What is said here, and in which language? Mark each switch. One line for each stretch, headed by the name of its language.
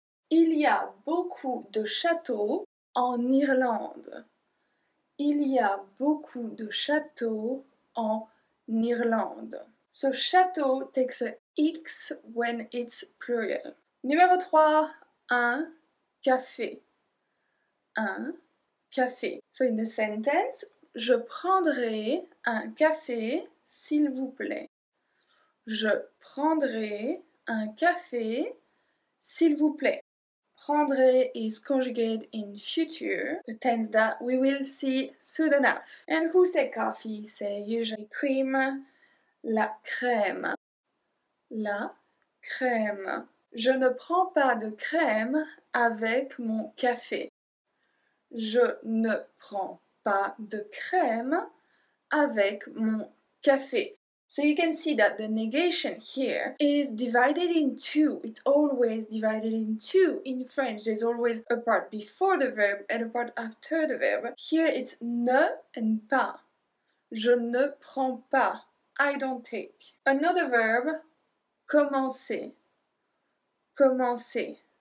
French: Il y a beaucoup de châteaux en Irlande. Il y a beaucoup de châteaux en Irlande.
English: So château takes a X when it's plural.
French: Numéro 3, un café. Un café.
English: So in the sentence,
French: je prendrai un café, s'il vous plaît. Je prendrai un café, s'il vous plaît.
English: Prendrai is conjugated in future, a tense that we will see soon enough. And who say coffee? Say usually cream, la crème.
French: La crème. Je ne prends pas de crème avec mon café. Je ne prends pas de crème avec mon café.
English: So you can see that the negation here is divided in two. It's always divided in two in French. There's always a part before the verb and a part after the verb. Here it's ne and pas.
French: Je ne prends pas.
English: I don't take. Another verb. Commencer. Commencer.